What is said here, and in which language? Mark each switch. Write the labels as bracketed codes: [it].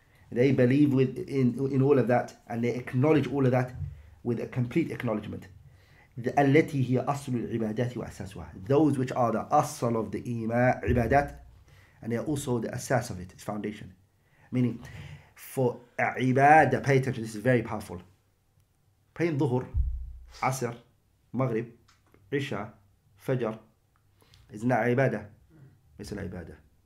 [en] They believe with in all of that, and they acknowledge all of that with a complete acknowledgement. [ar] التي هي أصل العبادات وأساسها. [en] Those which are the أصل of the عبادات, and they are also the أساس of it, its foundation. Meaning, for عبادة, pay attention, this is very powerful. Pray in ظهر, عصر, مغرب, عشاء, فجر. It's not عبادة. It's an عبادة.